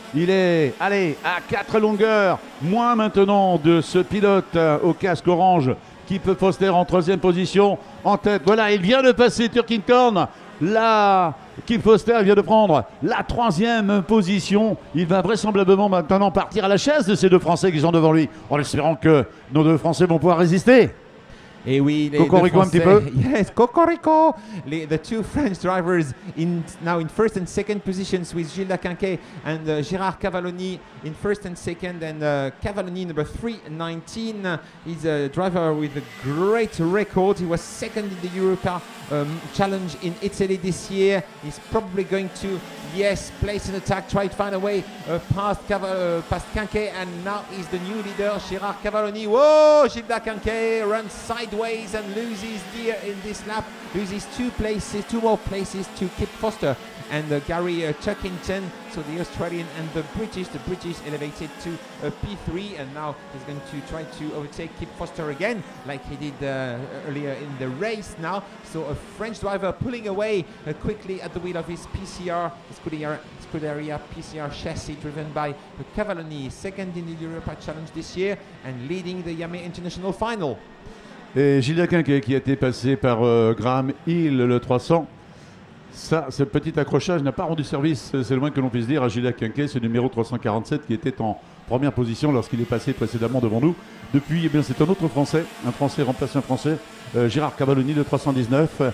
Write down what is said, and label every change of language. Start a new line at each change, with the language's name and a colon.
French: Il est, allez, à quatre longueurs, moins maintenant de ce pilote au casque orange, Kip Foster en troisième position, en tête. Voilà, il vient de passer Turkington. Là, Kip Foster vient de prendre la troisième position. Il va vraisemblablement maintenant partir à la chasse de ces deux Français qui sont devant lui, en espérant que nos deux Français vont pouvoir résister. Et oui, Cocorico un petit peu.
English: Yes, Cocorico. The two French drivers in now in first and second positions with Gilles Dakinke and Gérard Cavalloni in first and second. And Cavalloni, number 319, is a driver with a great record. He was second in the Europa Challenge in Italy this year. He's probably going to, yes, place an attack, try to find a way past Kanke, and now he's the new leader, Gérard Cavalloni. Whoa, Gilles Dakinke runs sideways and loses gear in this lap. loses two more places to Kip Foster and Gary Turkington. So the Australian and the British elevated to P3, and now he's going to try to overtake Kip Foster again, like he did earlier in the race now. So a French driver pulling away quickly at the wheel of his PCR, Scuderia PCR chassis, driven by Cavalloni, second in the Europa Challenge this year and leading the Yamaha International Final.
French: Et Gilles Quinquet qui a été passé par Graham Hill, le 300. Ça, ce petit accrochage n'a pas rendu service, c'est le moins que l'on puisse dire, à Gilles Quinquet, ce numéro 347 qui était en première position lorsqu'il est passé précédemment devant nous. Depuis, eh bien, c'est un autre Français, un Français remplace un Français, Gérard Cavalloni, le 319.